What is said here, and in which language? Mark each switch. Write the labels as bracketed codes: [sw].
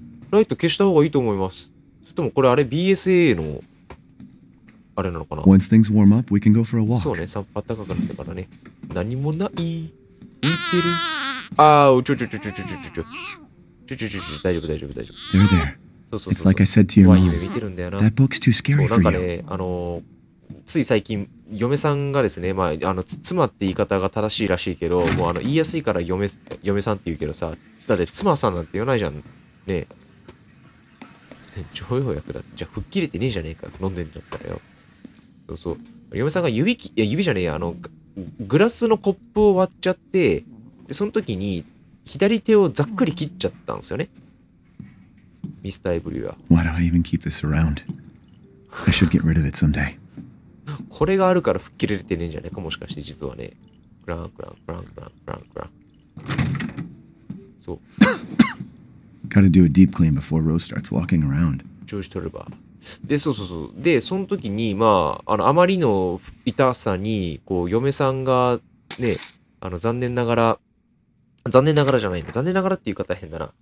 [ja] ライト消した方がいいと思います。それともこれあれ BSA のあれなのかな？そうね、散歩暖かくなってからね。何もない。見てる。あー、ちょちょちょちょちょちょちょ。大丈夫大丈夫大丈夫。 [en] They're there. [ja] そうそうそう。 [en] It's like I said to your mom. [ja] 見てるんだよな。 [en] That book's too scary for you. [ja] なんかね、つい最近嫁さんがですね、まあ、あの妻って言い方が正しいらしいけど、もうあの言いやすいから 嫁さんって言うけどさ、だって妻さんなんて言わないじゃんね。超よい方役だ。じゃあ吹っ切れてねえじゃねえか、飲んでんだったらよ。そうそう、嫁さんが指き、いや指じゃねえ、あのグラスのコップを割っちゃって、でその時に左手をざっくり切っちゃったんですよね、ミスターエブリューは。 [en] Why do I even keep this around? I should get rid of it someday. [ja] これがあるから吹っ切れてねえんじゃねえか、もしかして実はね。クランクランクランクランクランクラン。そう。 [en] Gotta do a deep clean before Rose starts walking around. [ja] 調子取れば。で、そうそうそう。で、その時に、まあ、あまりの痛さに、こう、嫁さんがね、あの、残念ながら、残念ながらじゃないね。残念ながらっていう方は変だな。